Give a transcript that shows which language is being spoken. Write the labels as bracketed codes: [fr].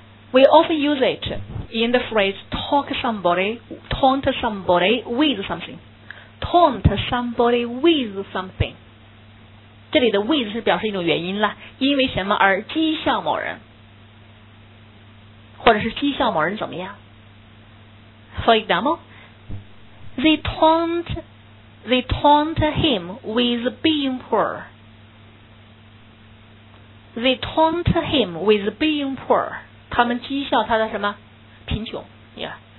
[en] We often use it in the phrase talk somebody, taunt somebody with something. Taunt somebody with something. [zh] 这里的 with 是表示一种原因了，因为什么而讥笑某人，或者是讥笑某人怎么样。 [en] For example,They taunt him with being poor. They taunt him with being poor. 他们讥笑他的什么贫穷、 yeah.